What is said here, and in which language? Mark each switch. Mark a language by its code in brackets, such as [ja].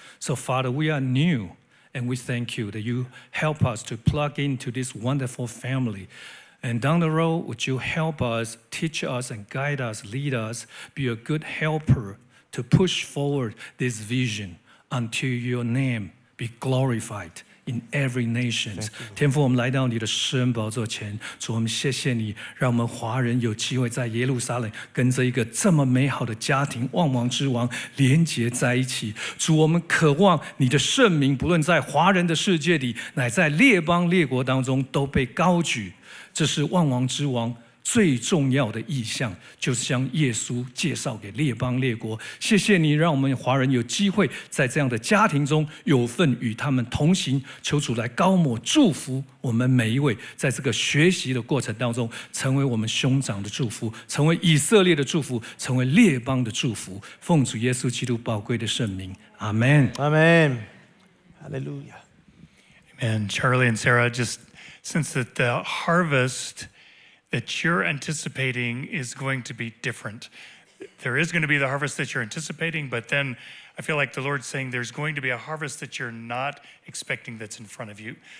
[en] So, Father, we are new, and we thank you that you help us to plug into this wonderful family. And down the road, would you help us, teach us, and guide us, lead us, be a good helper to push forward this vision until your name be glorified in every nation. [zh] 天父，我们来到你的圣宝座前，主，我们谢谢你，让我们华人有机会在耶路撒冷跟着一个这么美好的家庭，万王之王连结在一起。主，我们渴望你的圣名不论在华人的世界里，乃在列邦列国当中都被高举。这是万王之王最重要的意向就是将耶稣介绍给列邦列国。谢谢你让我们华人有机会在这样的家庭中有份与他们同行。求主来高抹祝福我们每一位，在这个学习的过程当中成为我们兄长的祝福，成为以色列的祝福，成为列邦的祝福。奉主耶稣基督宝贵的圣名，阿们，阿们，哈利路亚。 [en] And Charlie and Sarah, just since that the harvest that you're anticipating is going to be different. There is going to be the harvest that you're anticipating, but then I feel like the Lord's saying there's going to be a harvest that you're not expecting that's in front of you.